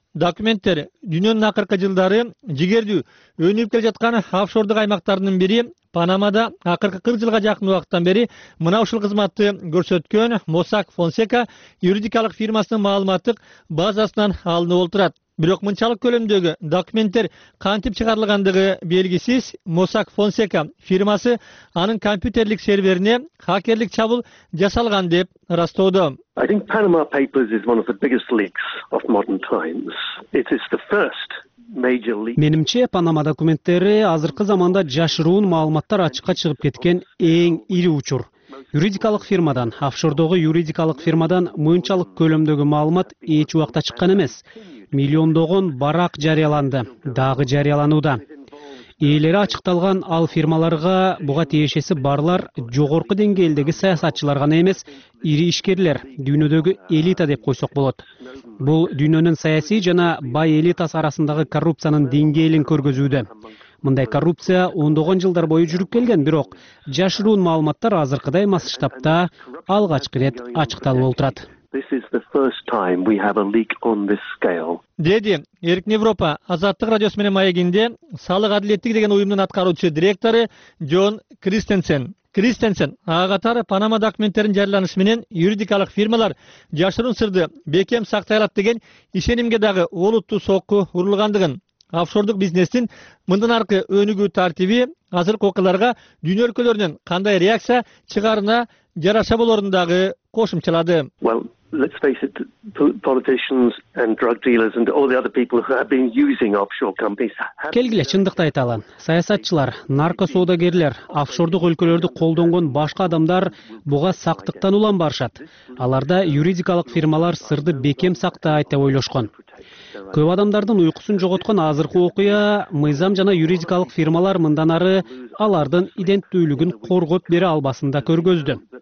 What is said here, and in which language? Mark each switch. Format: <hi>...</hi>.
<ky>Документтер дүйнөнүн акыркы жылдары жигердүү өнүп келе жаткан офшордук аймактарынын бири Панамада акыркы 40 жылга жакын убакыттан бери мына ушул кызматты көрсөткөн Mossack Fonseca юридикалык фирмасынын маалыматтык базасынан алынып отурат. Бирок мынчалык көлөмдөгү документтер кантип чыгарылгандыгы белгисиз. Mossack Fonseca фирмасы анын компьютерлик серверине хакерлик чабуул жасалган деп ырастоодо.</ky> <en>I think Panama Papers is one of the biggest leaks of modern times. It is the first.</en> <ky>Менимче, Панама документтери азыркы заманда жашыруун маалыматтар ачыкка чыгып кеткен эң ири учур. Юридикалык фирмадан, офшордогу юридикалык фирмадан мынчалык көлөмдөгү маалымат эч убакта чыккан эмес. Миллиондогон барак жарыяланды, дагы жарыялануда. Ээлери ачыкталган ал фирмаларга буга тиешеси барлар жогорку деңгээлдеги саясатчылар гана эмес, ири ишкерлер, дүйнөдөгү элита деп койсок болот. Бул дүйнөнүн саясий жана бай элитасы арасындагы коррупциянын деңгээлин көргөзүүдө. Мындай коррупция ондогон жылдар бою жүрүп келген, бирок жашыруун маалыматтар азыркыдай масштабта алгачкы ирет ачыкталып отурат.</ky> <en>This is the first time we have a leak on this scale.</en> <ky>Деди Эркин Европа Азаттык радиосу менен маегинде салык адилеттиги деген уюмдун аткаруучу директору Джон Кристенсен. Кристенсен ага катар Панама документтеринин жарыяланышы менен юридикалык фирмалар жашыруун сырды бекем сактай алат деген ишенимге дагы олуттуу сокку урулгандыгын, офшордук бизнестин мындан аркы өнүгүү тартиби азыркы окуяларга дүйнө өлкөлөрүнөн кандай реакция чыгарына жараша болорун дагы кошумчалады.</ky> <en>Well, let's face it, politicians and drug dealers and all the other people who have been using offshore companies.</en> <ky>Келгиле чындыкты айталы. Саясатчылар, наркосоодагерлер, офшордук өлкөлөрдү колдонгон башка адамдар буга сактыктан улам барышат. Аларда юридикалык фирмалар сырды бекем сактайт деп ойлошкон. Көп адамдардын уйкусун жоготкон азыркы окуя мыйзам жана юридикалык фирмалар мындан ары алардын иденттүүлүгүн коргоп бере албасында көргөздү.</ky>